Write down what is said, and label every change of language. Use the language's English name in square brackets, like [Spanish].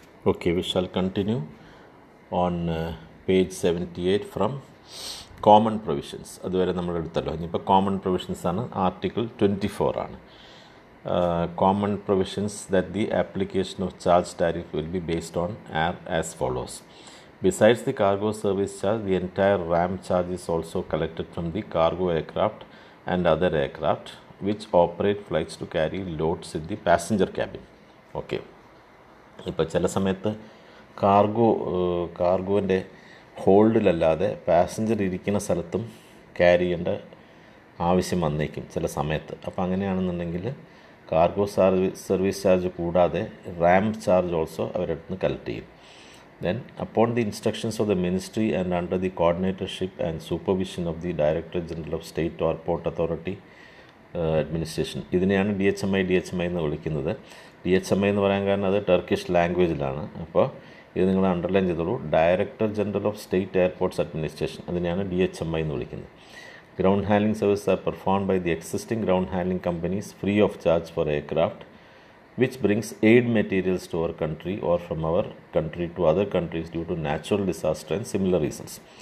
[English] Okay, we shall continue on page 78 from common provisions. [Malayalam] അതുവരെ നമ്മൾ എടുത്തല്ലോ. ഇനിയിപ്പോൾ കോമൺ പ്രൊവിഷൻസ് ആണ്, ആർട്ടിക്കിൾ 24 ആണ്. [English] Common provisions that the application of charge tariff will be based on are as follows. Besides the cargo service charge, the entire RAM charge is also collected from the cargo aircraft and other aircraft which operate flights to carry loads in the passenger cabin. Okay. [Malayalam] ഇപ്പോൾ ചില സമയത്ത് കാർഗോൻ്റെ ഹോൾഡിലല്ലാതെ passenger ഇരിക്കുന്ന സ്ഥലത്തും carry ചെയ്യേണ്ട ആവശ്യം വന്നേക്കും ചില സമയത്ത്. അപ്പോൾ അങ്ങനെയാണെന്നുണ്ടെങ്കിൽ കാർഗോ സർവീസ് ചാർജ് കൂടാതെ RAM charge also അവരുടെ നിന്ന് കളക്ട് ചെയ്യും. [English] Then, upon the instructions of the Ministry and under the coordinatorship and supervision of the Director General of State Airport Authority, [Malayalam] administration. ഇതിനെയാണ് DHMI എന്ന് വിളിക്കുന്നത്. DHMI എന്ന് പറയാൻ കാരണം അത് ടർക്കിഷ് ലാംഗ്വേജിലാണ്. അപ്പോൾ ഇത് നിങ്ങൾ അണ്ടർലൈൻ ചെയ്തോളൂ, [English] director general of state airports administration, [Malayalam] അതിനെയാണ് DHMI എന്ന് വിളിക്കുന്നത്. [English] Ground handling service are perform by the existing ground handling companies free of charge for aircraft which brings aid materials to our country or from our country to other countries due to natural disaster and similar reasons.